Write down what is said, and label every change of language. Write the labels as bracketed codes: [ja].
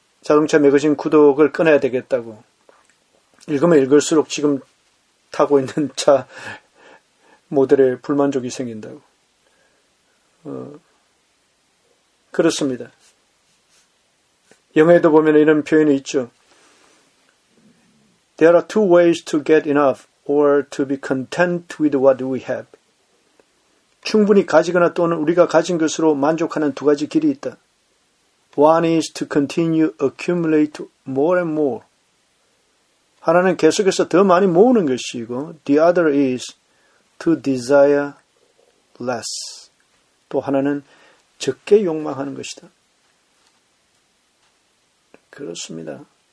[ko] 자동차 매거진 구독을 끊어야 되겠다고. 읽으면 읽을수록 지금 타고 있는 차 모델에 불만족이 생긴다고. 그렇습니다. 영어에도 보면 이런 표현이 있죠. [en] There are two ways to get enough or to be content with what we have. [ko] 충분히 가지거나 또는 우리가 가진 것으로 만족하는 두 가지 길이 있다. [en] One is to continue accumulate more and more. [ko] 하나는 계속해서 더 많이 모으는 것이고 [en] the other is to desire less. [ko] 또 하나는 적게 욕망하는 것이다. 그렇습니다.